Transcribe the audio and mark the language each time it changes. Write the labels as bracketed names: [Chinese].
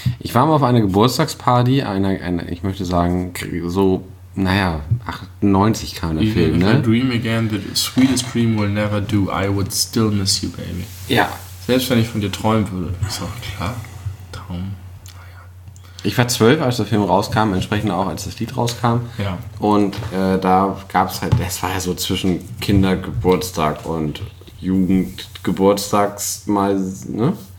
[German] Ich war mal auf einer Geburtstagsparty, ich möchte sagen, so, naja, 98 kam der Film, ne? [English] If I dream again, the sweetest dream will never do, I would still miss you, baby. [German] Ja. Selbst wenn ich von dir träumen würde. Ist auch klar. Traum. Ich war 12, als der Film rauskam, entsprechend auch, als das Lied rauskam. Ja. Und da gab es halt, das war ja so zwischen Kindergeburtstag und Jugendgeburtstags mal, ne?